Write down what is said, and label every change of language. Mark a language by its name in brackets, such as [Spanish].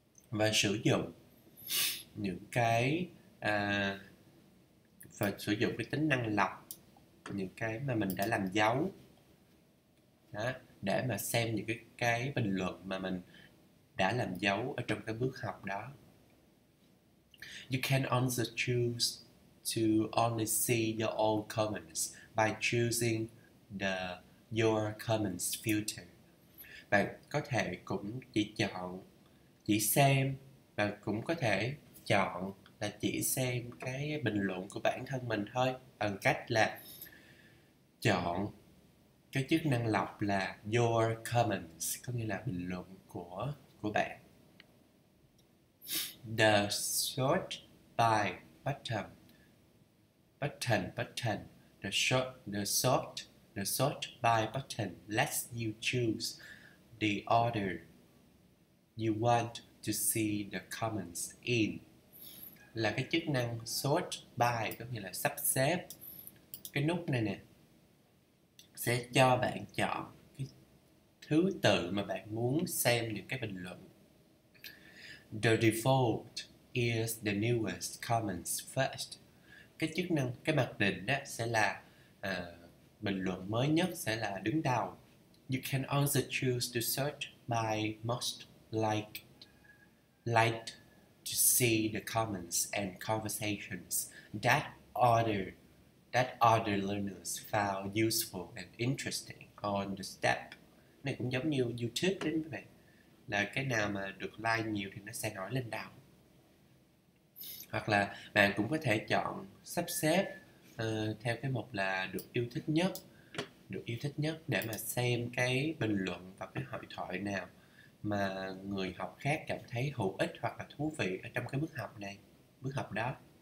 [Vietnamese] và sử dụng những cái và sử dụng cái tính năng lọc những cái mà mình đã làm dấu đó, để mà xem những cái bình luận mà mình đã làm dấu ở trong cái bước học đó. [English] You can also choose to only see your own comments by choosing your comments filter. [Vietnamese] Bạn có thể cũng chỉ chọn, chỉ xem, và cũng có thể chọn là chỉ xem cái bình luận của bản thân mình thôi, bằng cách là chọn cái chức năng lọc là your comments, có nghĩa là bình luận của bạn. [English] The sort by button, the sort by button lets you choose the order you want to see the comments in. [Vietnamese] Là cái chức năng sort by, có nghĩa là sắp xếp. Cái nút này nè sẽ cho bạn chọn cái thứ tự mà bạn muốn xem những cái bình luận. [English] The default is the newest comments first. [Vietnamese] Cái chức năng, cái mặc định đó sẽ là bình luận mới nhất sẽ là đứng đầu. [English] You can also choose to search by most liked to see the comments and conversations that other learners found useful and interesting on the step. [Vietnamese] Này cũng giống như YouTube đến vậy. Là cái nào mà được like nhiều thì nó sẽ nổi lên đầu. Hoặc là bạn cũng có thể chọn sắp xếp theo cái mục là được yêu thích nhất để mà xem cái bình luận và cái hội thoại nào mà người học khác cảm thấy hữu ích hoặc là thú vị ở trong cái bước học đó.